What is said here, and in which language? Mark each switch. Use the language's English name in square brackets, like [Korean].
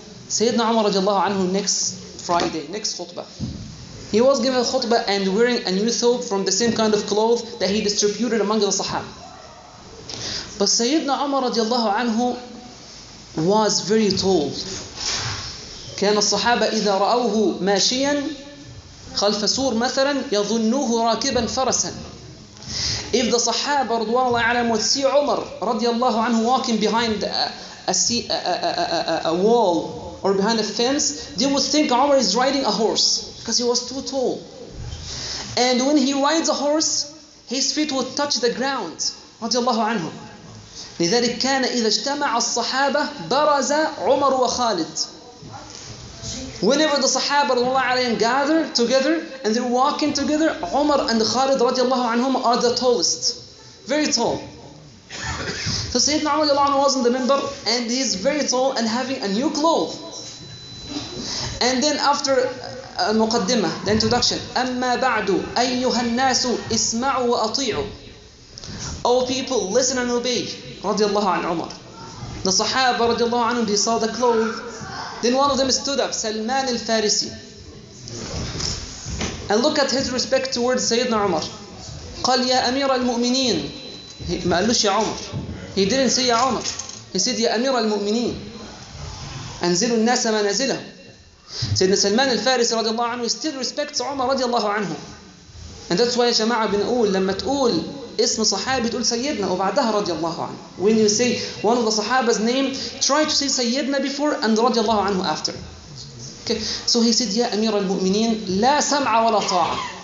[English] Sayyidina Umar radiallahu anhu, next Friday, next khutbah, he was given khutbah and wearing a new thawb from the same kind of cloth that he distributed among the sahab. But Sayyidina Umar radiallahu anhu was very tall. [Arabic] كان الصحابة إذا رأوه ماشيا خلف سور مثلا يظنوه راكبا فرسا. [English] If the Sahaba would see Umar radiallahu anhu walking behind a wall or behind a fence, they would think Umar is riding a horse because he was too tall. And when he rides a horse, his feet would touch the ground radiallahu anhu. [Arabic] لذلك كان إذا اجتمع الصحابة برز عمر وخالد. [English] Whenever the Sahaba gather together and they're walking together, Umar and Khalid radiallahu anhum are the tallest, very tall. So Sayyidina Umar radiallahu anhu was in the member and he's very tall and having a new cloth. And then after [Arabic] المقدمة, [English] the introduction, [Arabic] أما بعد أيها الناس اسمعوا وأطيعوا. [English] O people, listen and obey, radiallahu anhu Umar. The Sahaba radiallahu anhum, he saw the cloth. Then one of them stood up, Salman al-Farisi. And look at his respect towards Sayyidina Umar. [Arabic] قال يا أمير المؤمنين. ما قالوش يا عمر. [English] He didn't say [Arabic] يا عمر. He said يا أمير المؤمنين. أنزلوا الناس ما نزله. سيدنا سلمان الفارسي رضي الله عنه [English] still respects [Arabic] عمر رضي الله عنه. [English] And that's why [Arabic] جماعة بنقول لما تقول اسم صحابي تقول سيدنا وبعدها رضي الله عنه. [English] When you say one of the Sahaba's name, try to say [Arabic] سيدنا [English] before and [Arabic] رضي الله عنه [English] after. Okay. So he said, [Arabic] يا أمير المؤمنين لا سمع ولا طاعة.